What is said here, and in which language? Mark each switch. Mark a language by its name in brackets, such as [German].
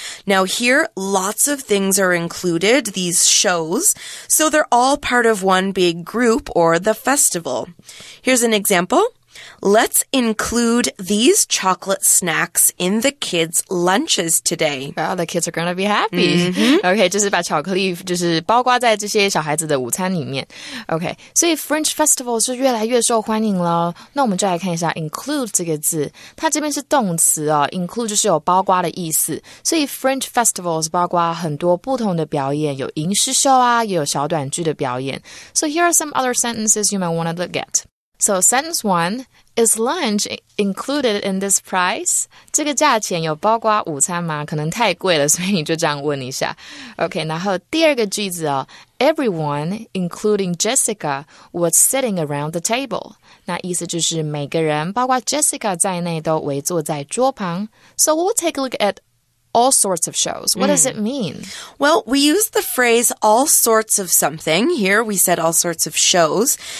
[English] Now here, lots of things are included, these shows, so they're all part of one big group or the festival. Here's an example. Let's include these chocolate snacks in the kids' lunches today. Well, the kids are going to be happy. Mm-hmm. [Chinese] Okay, 就是把巧克力就是包括在这些小孩子的午餐里面。 Okay, 所以 French Festival 是越来越受欢迎了。那我们就来看一下 include 这个字。它这边是动词哦， include 就是有包括的意思。所以 French Festival 是包括很多不同的表演，有吟诗秀啊，也有小短剧的表演。 [English] So here are some other sentences you might want to look at. So sentence one, is lunch included in this price? [Chinese] 这个价钱有包括午餐吗？可能太贵了，所以你就这样问一下。 [English] Okay, [Chinese] 然后第二个句子哦， [English] everyone, including Jessica, was sitting around the table. [Chinese] 那意思就是每个人，包括 Jessica 在内都围坐在桌旁。 [English] So we'll take a look at all sorts of shows. What does it mean? Well, we use the phrase all sorts of something. Here we said all sorts of shows.